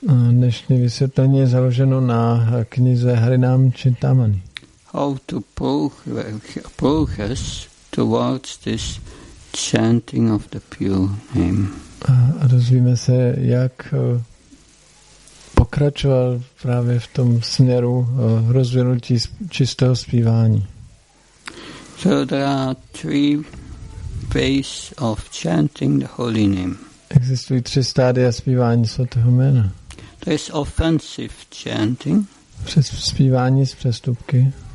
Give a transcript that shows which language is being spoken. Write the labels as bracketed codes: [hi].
[cs] Dnešní vysvětlení je založeno na knize Harinam Chintamani. [en] How to progress towards this chanting of the pure name. [cs] A dozvíme se, jak pokračoval právě v tom směru rozvinutí čistého zpívání. [en] So there are three ways of chanting the holy name. [cs] Existují tři stádia zpívání svatého jména. [en] There is offensive chanting. [cs] Přes zpívání z přestupky.